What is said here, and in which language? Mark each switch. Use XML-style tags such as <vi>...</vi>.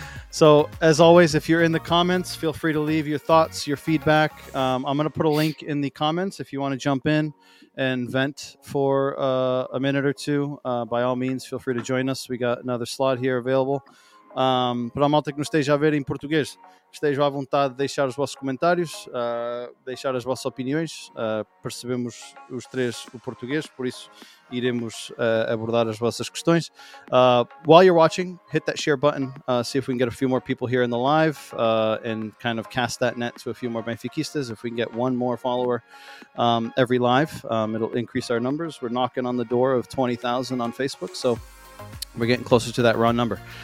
<en>So as always, if you're in the comments, feel free to leave your thoughts, your feedback. I'm going to put a link in the comments if you want to jump in and vent for a minute or two. By all means, feel free to join us. We got another slot here available.</en> <pt>Para a malta que nos esteja a ver em português, esteja à vontade de deixar os vossos comentários, deixar as vossas opiniões. Percebemos os três o português, por isso iremos abordar as vossas questões.</pt> <en>While you're watching, hit that share button. See if we can get a few more people here in the live and kind of cast that net to a few more Benfiquistas. If we can get one more follower every live, it'll increase our numbers. We're knocking on the door of 20,000 on Facebook, so we're getting closer to that round number.</en>